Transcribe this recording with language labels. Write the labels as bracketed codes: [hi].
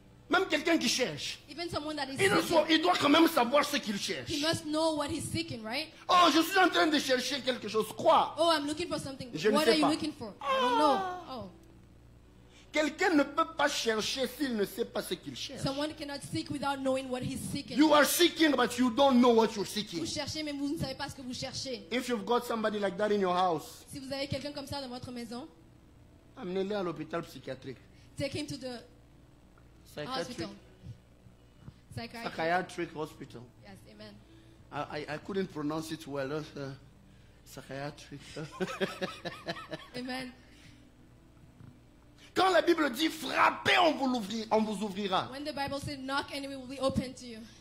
[fr] Même quelqu'un qui cherche. [en] Even someone that is [fr] il doit quand même savoir ce qu'il cherche. [en] He must know what he's seeking, right? [fr] Oh, je suis en train de chercher quelque chose. Quoi? [en] Oh, I'm looking for something. [fr] Je [en] what [fr] ne sais [en] are you [fr] pas. [en] Looking for? Ah. I don't know. Oh. [fr] Quelqu'un ne peut pas chercher s'il ne sait pas ce qu'il cherche. [en] Someone cannot seek without knowing what he's seeking. You are seeking, but you don't know what you're seeking. [fr] Vous cherchez, mais vous ne savez pas ce que vous cherchez. [en] If you've got somebody like that in your house. [fr] Si vous avez quelqu'un comme ça dans votre maison. Amenez-le à l'hôpital psychiatrique. [en] Take him to the psychiatric hospital. Yes, amen. I couldn't pronounce it well. Psychiatric. Amen. [fr] Quand la Bible dit frappez, on vous ouvrira. [en] When the Bible says knock and it will be open to you.